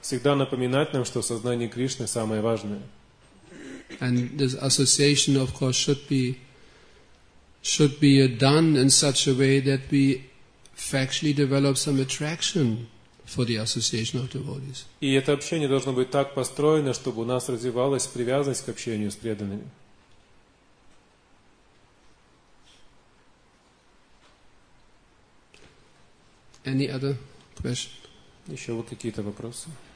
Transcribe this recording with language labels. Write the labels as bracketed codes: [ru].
[ru] Всегда напоминать нам, что сознание Кришны самое важное. [en] And this association, of course, should be done in such a way that we factually develop some attraction for the association of devotees. [ru] И это общение должно быть так построено, чтобы у нас развивалась привязанность к общению с преданными. [en] Any other question? [ru] Еще вот какие-то вопросы?